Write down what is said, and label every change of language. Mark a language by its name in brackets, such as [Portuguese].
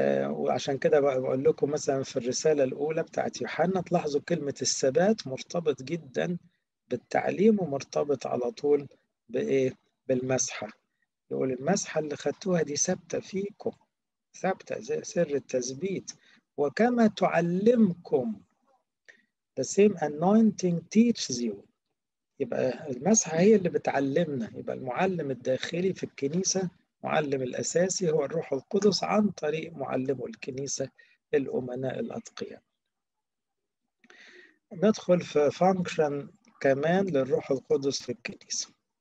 [Arabic] وعشان كده بقول لكم مثلا في الرسالة الأولى بتاعت يوحنا تلاحظوا كلمة الثبات مرتبط جدا بالتعليم ومرتبط على طول بإيه؟ بالمسحة. يقول المسحة اللي خدتوها دي ثابتة فيكم، ثابتة زي سر التثبيت، وكما تعلمكم. [English] The same anointing teaches you. [Arabic] يبقى المسحة هي اللي بتعلمنا، يبقى المعلم الداخلي في الكنيسة، معلم الأساسي هو الروح القدس عن طريق معلمه الكنيسة الأمناء الأتقياء. ندخل في function كمان للروح القدس في الكنيسة.